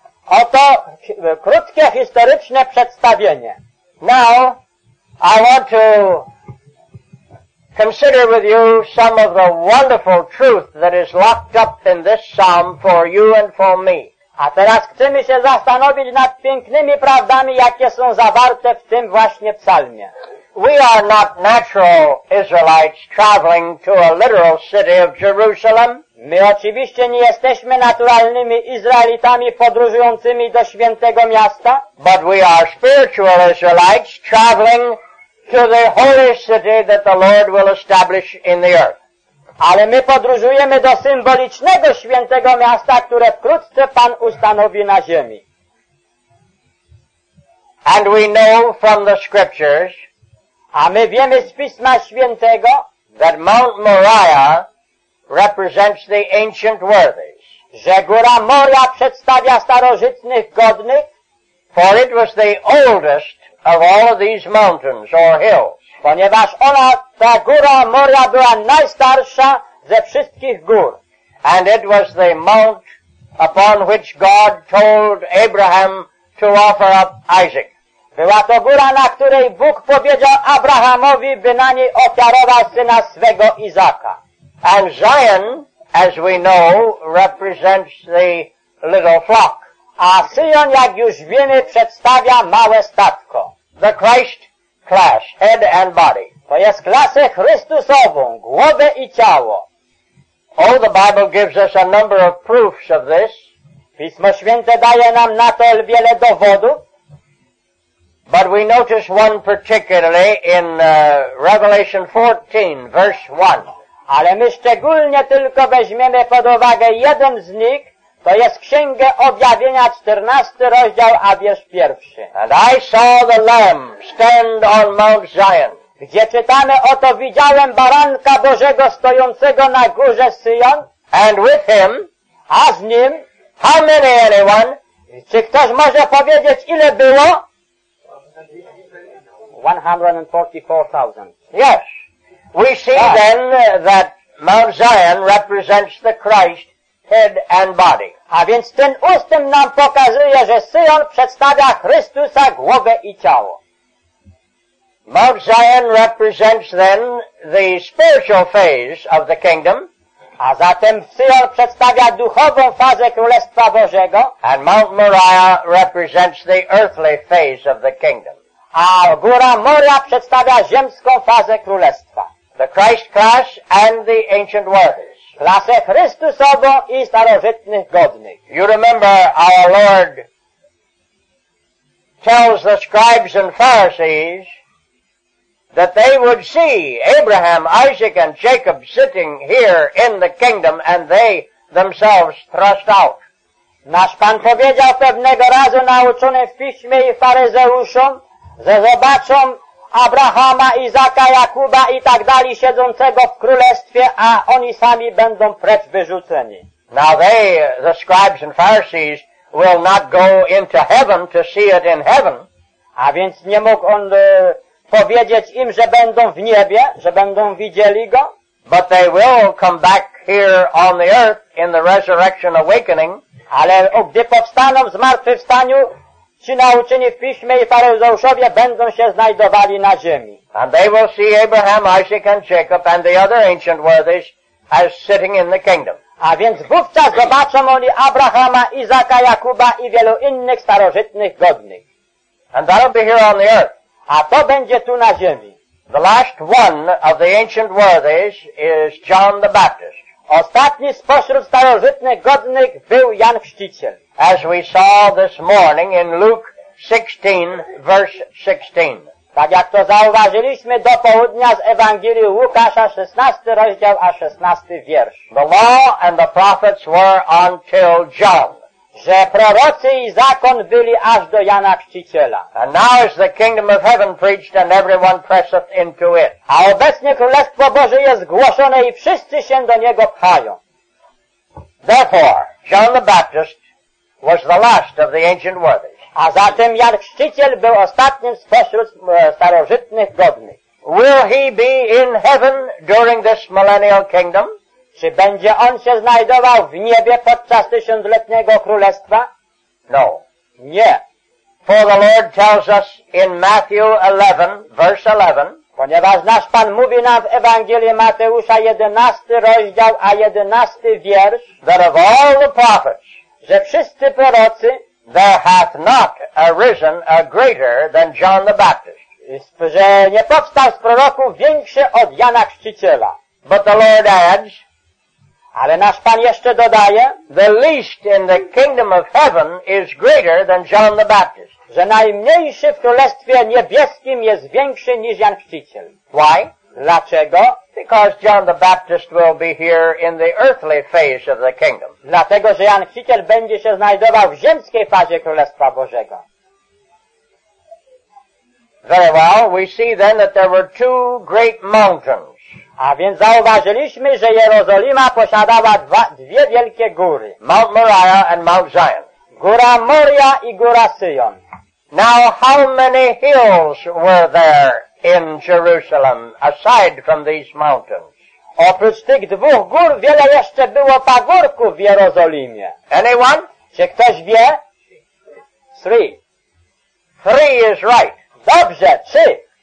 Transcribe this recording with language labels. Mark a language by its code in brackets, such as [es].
[pl] Oto krótkie historyczne przedstawienie. [en] Now, I want to consider with you some of the wonderful truth that is locked up in this psalm for you and for me. [pl] A teraz chcemy się zastanowić nad pięknymi prawdami, jakie są zawarte w tym właśnie psalmie. [en] We are not natural Israelites traveling to a literal city of Jerusalem. [pl] My oczywiście nie jesteśmy naturalnymi Izraelitami podróżującymi do świętego miasta. [en] But we are spiritual Israelites traveling to the holy city that the Lord will establish in the earth. [pl] Ale my podróżujemy do symbolicznego świętego miasta, które wkrótce Pan ustanowi na ziemi. [en] And we know from the scriptures, [pl] a my wiemy z Pisma Świętego, [en] that Mount Moriah represents the ancient worthies. [pl] Że góra Moria przedstawia starożytnych godnych. [en] For it was the oldest of all of these mountains or hills. [pl] Ponieważ ona, ta góra Moria była najstarsza ze wszystkich gór. [en] And it was the mount upon which God told Abraham to offer up Isaac. [pl] Była to góra, na której Bóg powiedział Abrahamowi, by na niej ofiarował syna swego Izaka. [en] And Zion, as we know, represents the little flock. [pl] A Syjon, jak już wiemy, przedstawia małe stadko. [en] The Christ class, head and body. [pl] To jest klasę Chrystusową, głowę i ciało. [en] Oh, the Bible gives us a number of proofs of this. [pl] Pismo Święte daje nam na to wiele dowodów. [en] But we notice one particularly in Revelation 14, verse 1. [pl] Ale my szczególnie tylko weźmiemy pod uwagę jeden z nich, to jest Księgę Objawienia, 14 rozdział, a wiersz pierwszy. [en] And I saw the Lamb stand on Mount Zion. [pl] Gdzie czytamy, oto widziałem Baranka Bożego stojącego na górze Syjon. [en] And with him, [pl] a z nim, [en] How many, anyone? [pl] Czy ktoś może powiedzieć, ile było? [en] 144,000. Yes. We see then that Mount Zion represents the Christ head and body. [pl] A więc ten ustęp nam pokazuje, że Syjon przedstawia Chrystusa głowę i ciało. [en] Mount Zion represents then the spiritual phase of the kingdom. [pl] A zatem Syjon przedstawia duchową fazę Królestwa Bożego. [en] And Mount Moriah represents the earthly phase of the kingdom. [pl] A góra Moriah przedstawia ziemską fazę Królestwa. [en] The Christ class and the ancient worthies. [pl] Klasę Chrystusową i starożytnych godnych. [en] You remember our Lord tells the scribes and Pharisees that they would see Abraham, Isaac, and Jacob sitting here in the kingdom, and they themselves thrust out. [pl] Nasz Pan powiedział pewnego razu nauczonym w piśmie i faryzeuszom, że zobaczą Abrahama, Izaka, Jakuba i tak dalej siedzącego w królestwie, a oni sami będą precz wyrzuceni. [en] Now they, the scribes and Pharisees, will not go into heaven to see it in heaven. [pl] A więc nie mógł on powiedzieć im, że będą w niebie, że będą widzieli go. [en] But they will come back here on the earth in the resurrection awakening. [pl] Ale gdy powstaną w zmartwychwstaniu, ci nauczeni w piśmie i faryzeuszowie będą się znajdowali na ziemi. [en] And they will see Abraham, Isaac and Jacob and the other ancient worthies as sitting in the kingdom. [pl] A więc wówczas zobaczą oni Abrahama, Izaka, Jakuba i wielu innych starożytnych godnych. [en] And that'll be here on the earth. [pl] A to będzie tu na ziemi. [en] The last one of the ancient worthies is John the Baptist. [pl] Ostatni spośród starożytnych godnych był Jan Chrzciciel. [en] As we saw this morning in Luke 16, verse 16. [pl] Tak jak to zauważyliśmy do południa z Ewangelii Łukasza, 16 rozdział, a 16 wiersz. [en] The law and the prophets were until John. [pl] Że prorocy i zakon byli aż do Jana Chrzciciela. [en] And now is the kingdom of heaven preached and everyone presseth into it. [pl] A obecnie Królestwo Boże jest głoszone i wszyscy się do niego pchają. [en] Therefore, John the Baptist was the last of the ancient worthies. [pl] A zatem Jan Chrzciciel był ostatnim spośród starożytnych godnych. [en] Will he be in heaven during this millennial kingdom? [pl] Czy będzie on się znajdował w niebie podczas tysiącletniego królestwa? [en] No. [pl] Nie. [en] For the Lord tells us in Matthew 11, verse 11, [pl] ponieważ nasz Pan mówi nam w Ewangelii Mateusza 11 rozdział, a 11 wiersz, [en] that of all the prophets, [pl] że wszyscy prorocy, [en] there hath not arisen a greater than John the Baptist, [pl] że nie powstał z proroków większy od Jana Chrzciciela. [en] But the Lord adds, [pl] ale nasz Pan jeszcze dodaje, [en] the least in the kingdom of heaven is greater than John the Baptist. [pl] Że najmniejszy w Królestwie Niebieskim jest większy niż Jan Chrzciciel. [en] Why? [pl] Dlaczego? [en] Because John the Baptist will be here in the earthly phase of the kingdom. [pl] Dlatego, że Jan Chrzciciel będzie się znajdował w ziemskiej fazie Królestwa Bożego. [en] Very well, we see then that there were two great mountains. [pl] A więc zauważyliśmy, że Jerozolima posiadała dwie wielkie góry. [en] Mount Moriah and Mount Zion. [pl] Góra Moria i góra Syjon. [en] Now, how many hills were there in Jerusalem, aside from these mountains? [pl] Oprócz tych dwóch gór, wiele jeszcze było pagórków w Jerozolimie. [en] Anyone? [pl] Czy ktoś wie? [en] Three. Three is right. [pl] Dobrze, trzy.